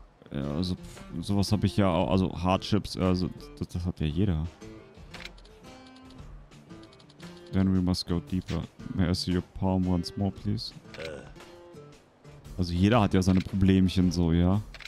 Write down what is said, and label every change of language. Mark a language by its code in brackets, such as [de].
[de] Ja, also sowas habe ich ja auch, also Hardships, also das hat ja jeder. [en] Then we must go deeper. May I see your palm once more, please? [de] Also jeder hat ja seine Problemchen so, ja?